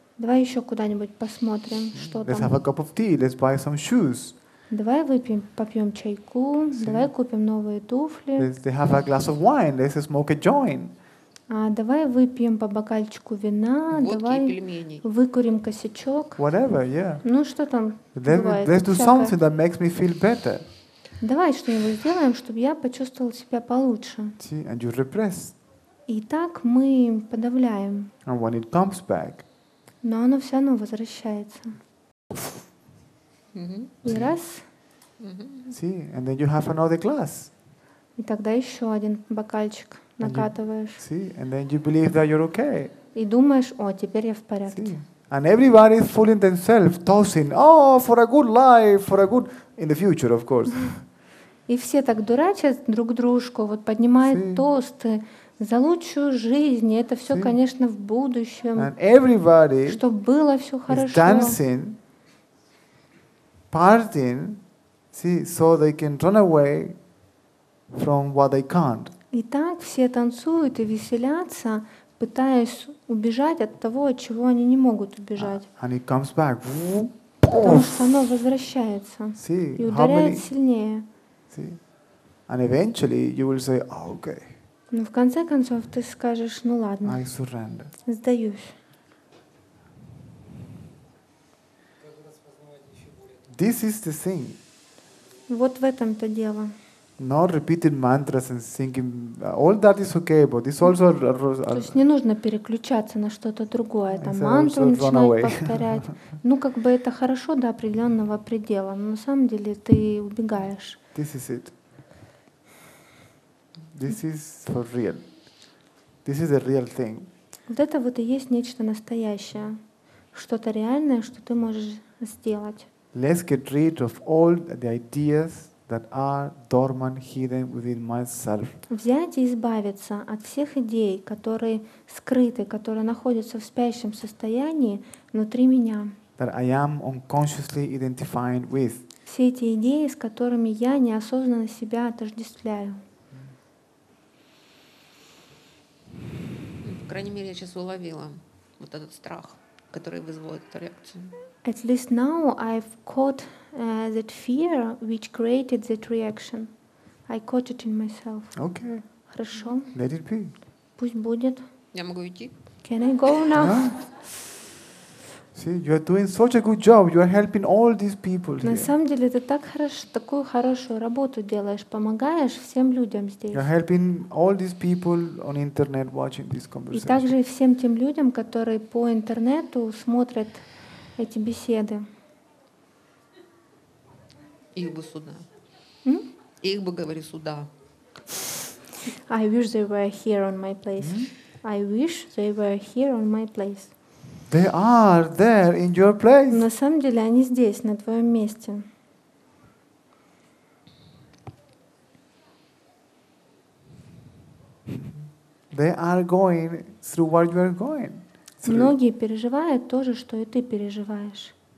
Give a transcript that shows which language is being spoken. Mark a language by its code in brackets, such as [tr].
[ru] Давай еще куда-нибудь посмотрим, что [en] let's [ru] там. [en] Let's have a cup of tea. Let's buy some shoes. [ru] Давай выпьем, попьем чайку, [en] see? [ru] Давай купим новые туфли. [en] They have a glass of wine. Let's smoke a joint. [ru] А давай выпьем по бокальчику вина, водки, давай пельмени. Выкурим косячок. [en] Whatever, yeah. [ru] Ну что там? [en] Let's do something that makes me feel better. [ru] Давай что-нибудь сделаем, чтобы я почувствовал себя получше. [en] See? And you repress. [ru] И так мы подавляем. [en] And when it comes back. [ru] Но оно все равно возвращается. Mm-hmm. И раз. Mm-hmm. [en] See, and then you have another glass. [ru] И тогда еще один бокальчик [en] and [ru] накатываешь. [en] You, see, and then you believe that you're okay. [ru] И думаешь, о, теперь я в порядке. [en] See, and everybody is fooling themselves, tossing, oh, for a good life, for a good in the future, of course. [ru] И все так дурачат друг дружку, вот поднимают [en] see. [ru] Тосты за лучшую жизнь, и это все, [en] see. [ru] Конечно, в будущем. [en] And everybody, [ru] чтобы было все хорошо. [en] Is dancing. Partying, see, so they can run away from what they can't. [ru] И так все танцуют и веселятся, пытаясь убежать от того, от чего они не могут убежать. [en] And it comes back. [ru] Потому что оно возвращается. [en] See, [ru] и ударяет сильнее. [en] See? And eventually you will say, oh, okay. [ru] Но в конце концов ты скажешь, ну ладно. [en] I surrender. [ru] Сдаюсь. [en] This is the thing. [ru] Вот в этом-то дело. [en] Not repeating mantras and singing. All that is okay, but this also. [ru] То есть не нужно переключаться на что-то другое. Там мантру начинать повторять. Ну как бы это хорошо до определенного предела, но на самом деле ты убегаешь. [en] This is it. This is for real. This is a real thing. [ru] Вот это вот и есть нечто настоящее, что-то реальное, что ты можешь сделать. [en] Let's get rid of all the ideas that are dormant, hidden within myself. [ru] Взять и избавиться от всех идей, которые скрыты, которые находятся в спящем состоянии внутри меня. [en] That I am unconsciously identifying with. [ru] Все эти идеи, с которыми я неосознанно себя отождествляю. По крайней мере, я сейчас уловила вот этот страх, который вызывает эту реакцию. [en] At least now I've caught that fear which created that reaction. I caught it in myself. Okay. [ru] Хорошо. [en] Let it be. [ru] Пусть будет. Я могу идти? [en] Can I go now? See, you are doing such a good job. You are helping all these people here. [ru] На самом деле, ты так хорошо, такую хорошую работу делаешь, помогаешь всем людям здесь. [en] You are helping all these people on internet watching this conversation. [ru] И также всем тем людям, которые по интернету смотрят эти беседы. Их бы сюда. Их бы, говорю, сюда. [en] I wish they were here on my place. I wish they were here on my place. They are there in your place. [ru] На самом деле они здесь, на твоем месте. [en] They are going through what you are going. [ru] Многие переживают то же, что и ты переживаешь.